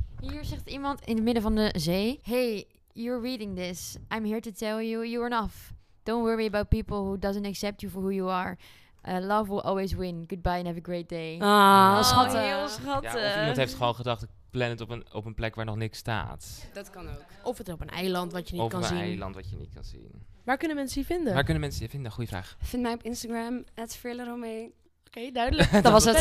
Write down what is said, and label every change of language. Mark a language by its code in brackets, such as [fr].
[nl] Hier zegt iemand in het midden van de zee. [en] Hey, you're reading this. I'm here to tell you, you're enough. Don't worry about people who doesn't accept you for who you are. Love will always win. Goodbye and have a great day. Ah, [nl] schattig. Heel schattig. Ja, of iemand heeft gewoon gedacht, ik plan het op een plek waar nog niks staat. Dat kan ook. Of het op een eiland wat je niet of kan zien. Of een eiland wat je niet kan zien. Waar kunnen mensen je vinden? Waar kunnen mensen je vinden? Goeie vraag. Vind mij op Instagram, @frillenromee. Oké, duidelijk. Dat was het.